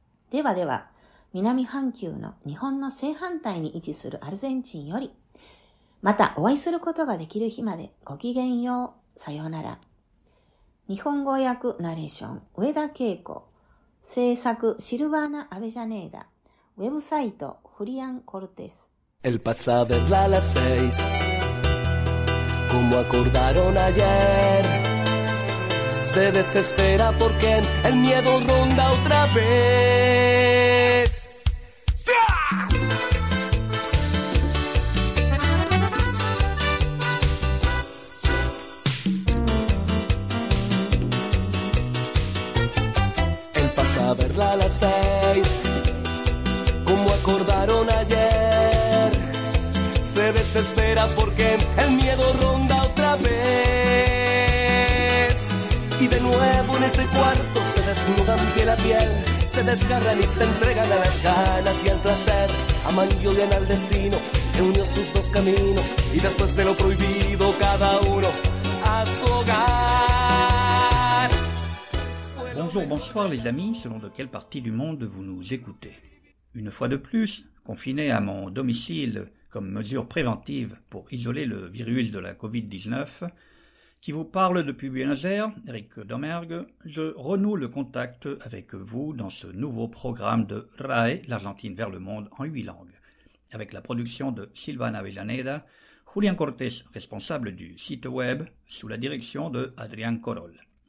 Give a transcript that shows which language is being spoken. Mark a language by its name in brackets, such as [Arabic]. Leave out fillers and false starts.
[Japanese] ではでは、南半球の日本の正反対に位置するアルゼンチンより、またお会いすることができる日までごきげんよう、さようなら。日本語訳ナレーション、上田恵子、制作シルバーナ・アベジャネーダ、ウェブサイト、フリアン・コルテス。 [Spanish] El pasado era a las seis, como acordaron ayer, se desespera porque el miedo ronda otra vez. A las seis, como acordaron ayer, se desespera porque el miedo ronda otra vez. Y de nuevo en ese cuarto se desnudan piel a piel, se desgarran y se entregan a las ganas y al placer. Aman y odian al destino que unió sus dos caminos, y después de lo prohibido, cada uno a su hogar. [French] Bonjour, bonsoir les amis, selon de quelle partie du monde vous nous écoutez. Une fois de plus, confiné à mon domicile comme mesure préventive pour isoler le virus de la COVID-19, qui vous parle depuis Buenos Aires, Eric Domergue, je renoue le contact avec vous dans ce nouveau programme de RAE, l'Argentine vers le monde en 8 langues, avec la production de Silvana Avellaneda, Julián Cortés, responsable du site web, sous la direction de Adrián Corol.